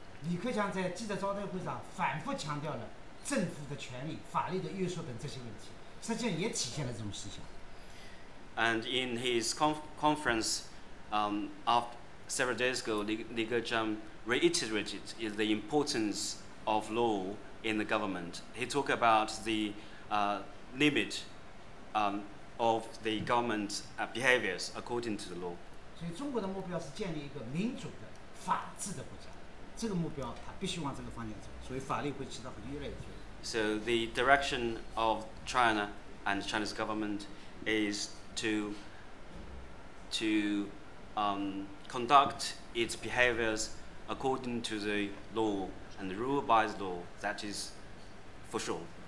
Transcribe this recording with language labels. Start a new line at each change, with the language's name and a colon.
Chinese: 李克强在记者招待会上反复强调了政府的权力、法律的约束等这些问题，实际上也体现了这种思想。
English: And in his conference, of several days ago, Li Keqiang reiterated the importance of law in the government. He talked about the limit. Of the government's behaviors according to the law.
Chinese: 所以中国的目标是建立一个民主的、法治的国家。这个目标，它必须往这个方向走。所以法律会起到很越来越重要。
English: So the direction of China and China's government is to conduct its behaviors according to the law and rule by the law. That is for sure.